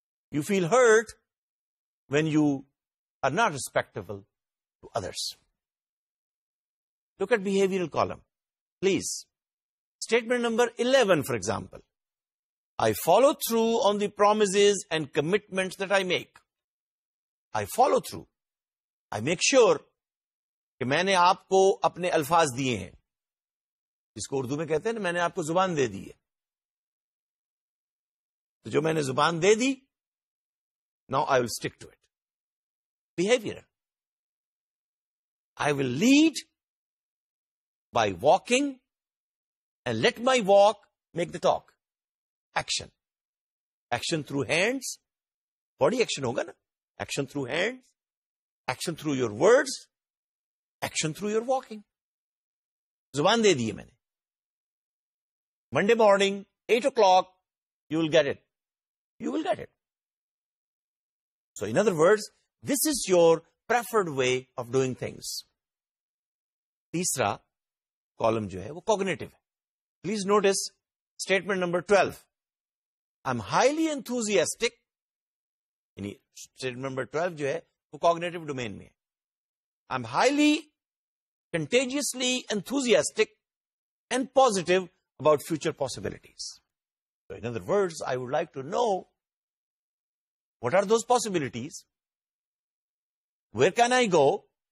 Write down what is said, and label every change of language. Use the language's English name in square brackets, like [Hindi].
[English] You feel hurt when you are not respectful to others. Look at behavioral column, please. Statement number 11, for example. I follow through on the promises and commitments that I make. I follow through. I make sure [Urdu] کہ میں نے آپ کو اپنے الفاظ دیے ہیں. جس کو اردو میں کہتے ہیں نا, میں نے آپ کو زبان دے دی ہے. تو جو میں نے زبان دے دی, [English] now I will stick to it. Behavior. I will lead by walking and let my walk make the talk. Action. Action through hands. Body action ہوگا نا. Action through hands. Action through your words. Action through your walking. [Urdu] زبان دے دیے میں نے. [English] Monday morning, 8 o'clock, you will get it. You will get it. So in other words, this is your preferred way of doing things. [Urdu] تیسرا column جو ہے وہ cognitive. [English] Please notice statement number 12. I'm highly enthusiastic. [Urdu] یعنی statement number 12 جو ہے وہ cognitive domain میں ہے. [English] I'm highly contagiously enthusiastic and positive about future possibilities. So in other words, I would like to know, what are those possibilities? Where can I go?